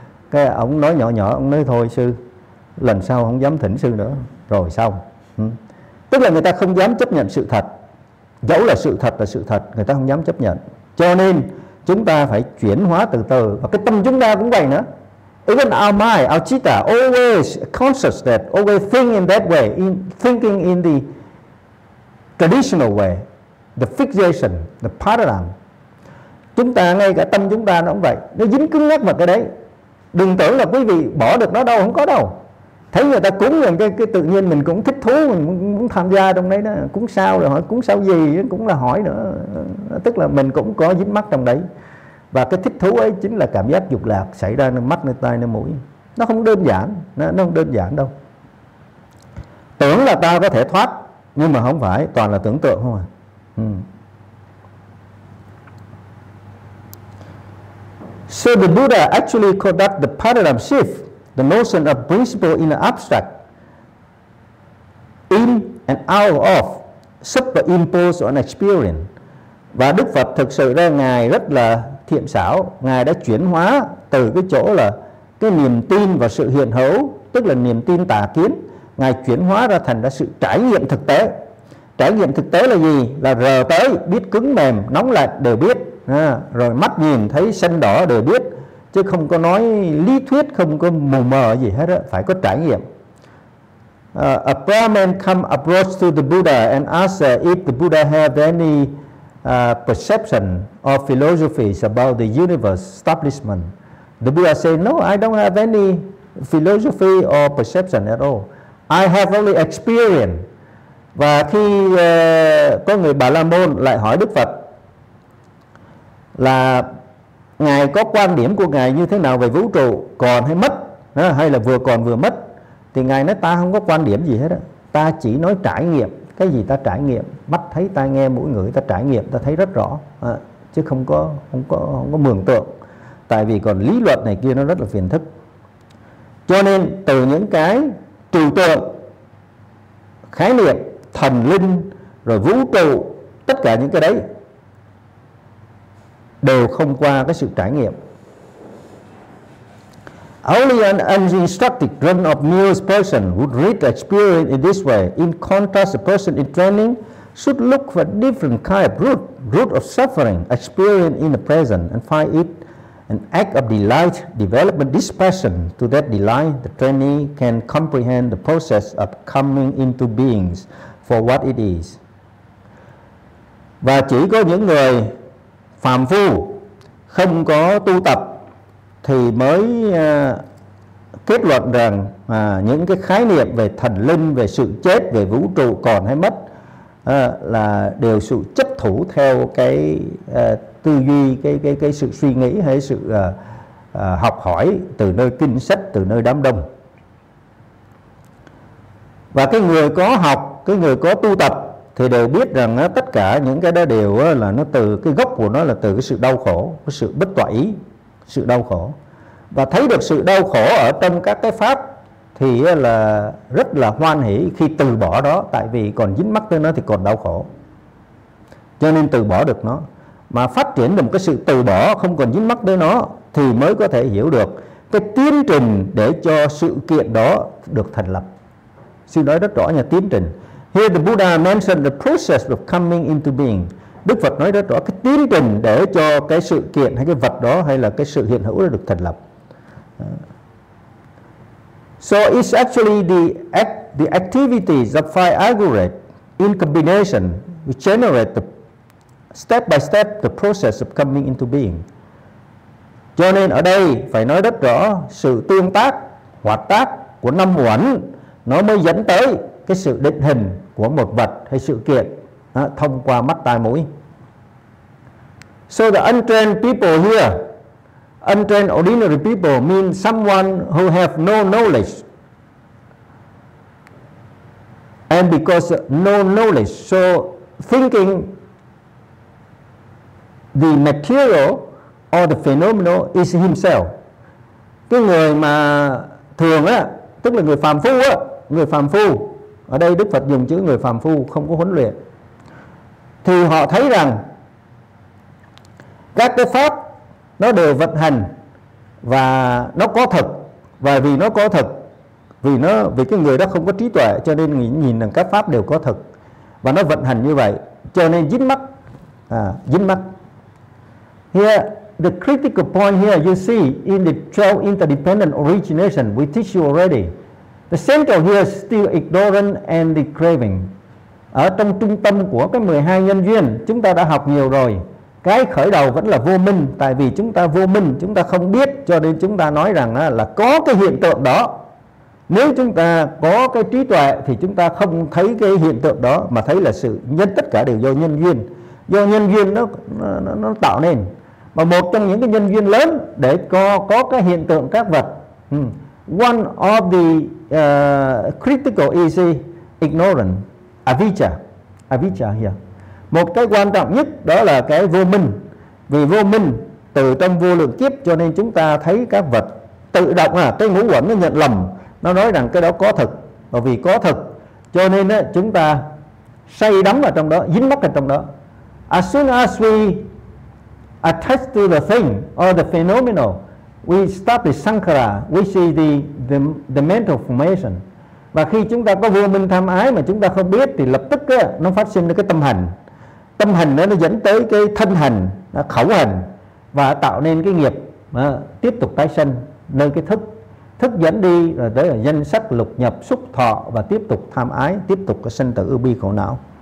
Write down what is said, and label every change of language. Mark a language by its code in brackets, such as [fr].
[vi] Cái ổng nói nhỏ nhỏ, ổng nói thôi sư, lần sau không dám thỉnh sư nữa. Rồi xong. Tức là người ta không dám chấp nhận sự thật. Dẫu là sự thật là sự thật, người ta không dám chấp nhận. Cho nên chúng ta phải chuyển hóa từ từ. Và cái tâm chúng ta cũng vậy nữa. [en] Even our mind, our citta, always conscious that, always think in that way, in thinking in the traditional way, the fixation, the paradigm. [vi] Chúng ta ngay cả tâm chúng ta nó cũng vậy, nó dính cứng nhắc vào cái đấy. Đừng tưởng là quý vị bỏ được nó đâu, không có đâu. Thấy người ta cúng rồi cái tự nhiên mình cũng thích thú, mình cũng tham gia trong đấy đó. Cúng sao rồi hỏi cúng sao gì cũng là hỏi nữa. Tức là mình cũng có dính mắc trong đấy. Và cái thích thú ấy chính là cảm giác dục lạc xảy ra nơi mắt, nơi tai, nơi mũi. Nó không đơn giản, nó không đơn giản đâu. Tưởng là ta có thể thoát, nhưng mà không phải, toàn là tưởng tượng không à. [en] So the Buddha actually conduct the paradigm shift, the notion of principle in the abstract, in and out of, superimposed on experience. [vi] Và Đức Phật thực sự ra Ngài rất là thiện xảo, Ngài đã chuyển hóa từ cái chỗ là cái niềm tin và sự hiện hữu, tức là niềm tin tà kiến, Ngài chuyển hóa ra thành ra sự trải nghiệm thực tế. Trải nghiệm thực tế là gì? Là rờ tới, biết cứng mềm, nóng lạnh đều biết. Rồi mắt nhìn thấy xanh đỏ đều biết, chứ không có nói lý thuyết, không có mù mờ gì hết đó. Phải có trải nghiệm. [en] A Brahmin come approach to the Buddha and ask if the Buddha have any perception or philosophies about the universe establishment. The Buddha said, no, I don't have any philosophy or perception at all. I have only experience. [vi] Và khi có người Bà La Môn lại hỏi Đức Phật là Ngài có quan điểm của Ngài như thế nào về vũ trụ, còn hay mất, hay là vừa còn vừa mất, thì Ngài nói ta không có quan điểm gì hết đó. Ta chỉ nói trải nghiệm. Cái gì ta trải nghiệm, mắt thấy, tai nghe, mũi ngửi, ta trải nghiệm, ta thấy rất rõ, chứ không có mường tượng. Tại vì còn lý luận này kia nó rất là phiền thức. Cho nên từ những cái trừu tượng, khái niệm, thần linh, rồi vũ trụ, tất cả những cái đấy đều không qua cái sự trải nghiệm. [en] Only an uninstructed run of mere person would read experience in this way. In contrast, a person in training should look for a different kind of root of suffering, experience in the present, and find it an act of delight, development, dispassion. To that delight, the trainee can comprehend the process of coming into beings for what it is. [vi] Và chỉ có những người phàm phu không có tu tập thì mới kết luận rằng những cái khái niệm về thần linh, về sự chết, về vũ trụ còn hay mất là đều sự chấp thủ theo cái tư duy, cái sự suy nghĩ hay sự học hỏi từ nơi kinh sách, từ nơi đám đông. Và cái người có học, cái người có tu tập thì đều biết rằng tất cả những cái đó đều là nó từ cái gốc của nó là từ cái sự đau khổ, cái sự bất toại ý, sự đau khổ. Và thấy được sự đau khổ ở trong các cái pháp thì là rất là hoan hỷ khi từ bỏ đó, tại vì còn dính mắc tới nó thì còn đau khổ, cho nên từ bỏ được nó. Mà phát triển được một cái sự từ bỏ không còn dính mắc tới nó thì mới có thể hiểu được cái tiến trình để cho sự kiện đó được thành lập. Sư nói rất rõ nha, tiến trình. [en] Here the Buddha mentioned the process of coming into being. [vi] Đức Phật nói rất rõ cái tiến trình để cho cái sự kiện hay cái vật đó hay là cái sự hiện hữu đó được thành lập. [en] So it's actually the activities of five aggregates in combination which generate the step by step the process of coming into being. [vi] Cho nên ở đây phải nói rất rõ sự tương tác, hoạt tác của năm uẩn nó mới dẫn tới cái sự định hình của một vật hay sự kiện thông qua mắt tai mũi. [en] So the untrained people here, untrained ordinary people mean someone who have no knowledge. And because no knowledge, so thinking the material or the phenomenon is himself. [vi] Cái người mà thường á, tức là người phàm phu á, người phàm phu, ở đây Đức Phật dùng chữ người phàm phu không có huấn luyện, thì họ thấy rằng các cái pháp nó đều vận hành và nó có thật, và vì nó có thật, vì cái người đó không có trí tuệ cho nên nhìn rằng các pháp đều có thật và nó vận hành như vậy, cho nên dính mắc. [en] Here the critical point here you see in the 12 interdependent origination we teach you already. The center here is still ignorance and the craving. [vi] Ở trong trung tâm của cái 12 nhân duyên chúng ta đã học nhiều rồi. Cái khởi đầu vẫn là vô minh, tại vì chúng ta vô minh, chúng ta không biết, cho nên chúng ta nói rằng là có cái hiện tượng đó. Nếu chúng ta có cái trí tuệ thì chúng ta không thấy cái hiện tượng đó mà thấy là sự nhân, tất cả đều do nhân duyên. Do nhân duyên nó tạo nên. Mà một trong những cái nhân duyên lớn để có cái hiện tượng các vật. [en] One of the critical is ignorance, avijja here. [vi] Một cái quan trọng nhất đó là cái vô minh. Vì vô minh từ trong vô lượng kiếp cho nên chúng ta thấy các vật tự động cái ngũ uẩn nó nhận lầm, nó nói rằng cái đó có thật. Và vì có thật cho nên chúng ta say đắm vào trong đó, dính mắc vào trong đó. [en] As soon as we attach to the thing or the phenomenon, we establish sankhara, we see the mental formation. [vi] Và khi chúng ta có vô minh tham ái mà chúng ta không biết thì lập tức nó phát sinh ra cái tâm hành. Tâm hành nó dẫn tới cái thân hành, khẩu hành và tạo nên cái nghiệp tiếp tục tái sinh nơi cái thức. Thức dẫn đi rồi tới danh sắc lục nhập xúc thọ và tiếp tục tham ái, tiếp tục cái sinh tử ưu bi khổ não.